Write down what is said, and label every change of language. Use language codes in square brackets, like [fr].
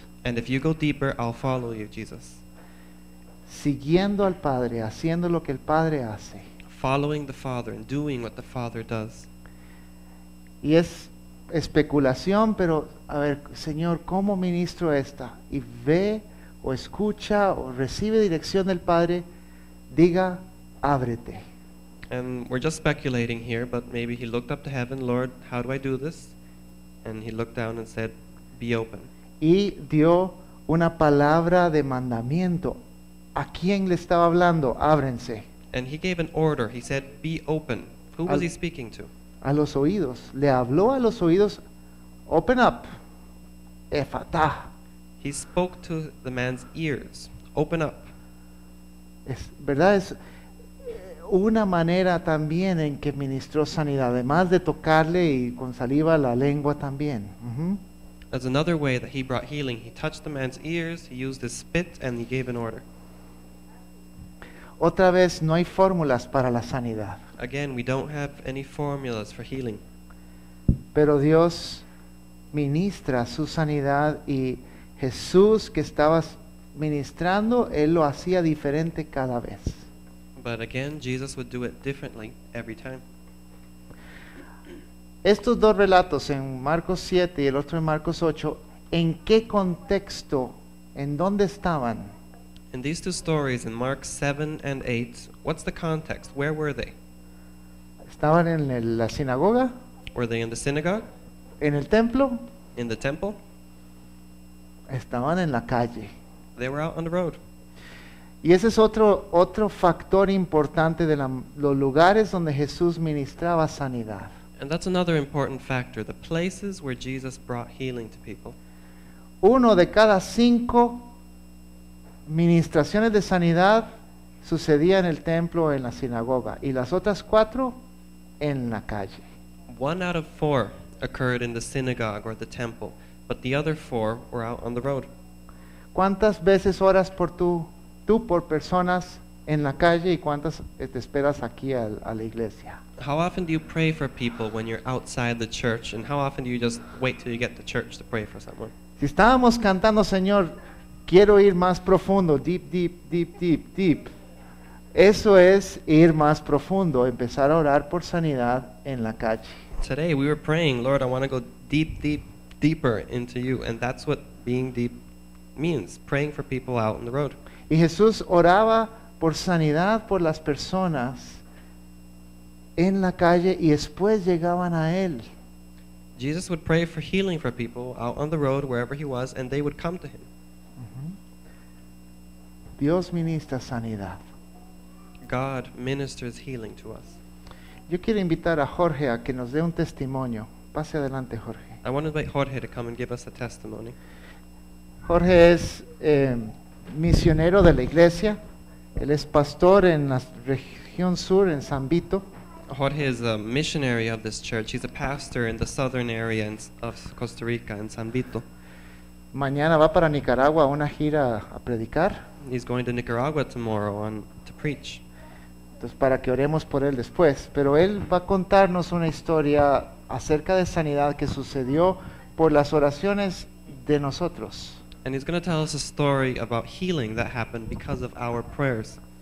[en] And if you go deeper, I'll follow you, Jesus. [es] Siguiendo al Padre, haciendo lo que el Padre hace. [en] Following the Father and doing what the Father does. [es] Y es especulación, pero a ver, Señor, ¿cómo ministro esta? Y ve... o escucha o recibe dirección del Padre, diga, ábrete. [en] And we're just speculating here, but maybe he looked up to heaven, Lord, how do I do this? And he looked down and said, be open. [es] Y dio una palabra de mandamiento. ¿A quién le estaba hablando? Ábrense. [en] And he gave an order. He said, be open. Who was he speaking to? [es] A los oídos. Le habló a los oídos, [en] open up. [arc] Ephatah. [en] He spoke to the man's ears. Open up. [es] Es verdad, es una manera también en que ministró sanidad, además de tocarle y con saliva la lengua también. [en] That's another way that he brought healing. He touched the man's ears, he used his spit, and he gave an order. [es] Otra vez, no hay fórmulas para la sanidad. [en] Again, we don't have any formulas for healing. [es] Pero Dios ministra su sanidad, y Jesús, que estaba ministrando, él lo hacía diferente cada vez. [en] But again, Jesus would do it differently every time. [es] Estos dos relatos, en Marcos 7 y el otro en Marcos 8, ¿en qué contexto, en dónde estaban? [en] In these two stories, in Mark 7 and 8, what's the context? Where were they? [es] ¿Estaban en la sinagoga? [en] Were they in the synagogue? [es] ¿En el templo? [en] In the temple? [es] Estaban en la calle. [en] They were out on the road. [es] Y ese es otro factor importante de los lugares donde Jesús ministraba sanidad. [en] And that's another important factor, the places where Jesus brought healing to people. [es] Uno de cada cinco ministraciones de sanidad sucedía en el templo o en la sinagoga, y las otras cuatro en la calle. [en] One out of four occurred in the synagogue or the temple, but the other four were out on the road. [es] ¿Cuántas veces oras por tú por personas en la calle, y cuántas te esperas aquí a la iglesia? [en] How often do you pray for people when you're outside the church, and how often do you just wait till you get to church to pray for someone? [es] Si estábamos cantando, Señor, quiero ir más profundo, [en] deep, deep, deep, deep, deep. [es] Eso es ir más profundo, empezar a orar por sanidad en la calle. [en] Today we were praying, Lord, I want to go deep, deep, deeper into you, and that's what being deep means, praying for people out on the road. [es] Y Jesús oraba por sanidad por las personas en la calle, y después llegaban a él. [en] Jesus would pray for healing for people out on the road, wherever he was, and they would come to him. [es] Dios ministra sanidad. [en] God ministers healing to us. [es] Yo quiero invitar a Jorge a que nos dé un testimonio. Pase adelante, Jorge. [en] I want to invite Jorge to come and give us a testimony. [es] Jorge es misionero de la iglesia. Él es pastor en la región sur, en San Vito. [en] Jorge is a missionary of this church. He's a pastor in the southern area of Costa Rica, in San Vito. [es] Mañana va para Nicaragua a una gira a predicar. [en] He's going to Nicaragua tomorrow to preach. [es] Entonces, para que oremos por él después. Pero él va a contarnos una historia acerca de sanidad que sucedió por las oraciones de nosotros. [en] And he's going to tell us a story about healing that happened because of our prayers.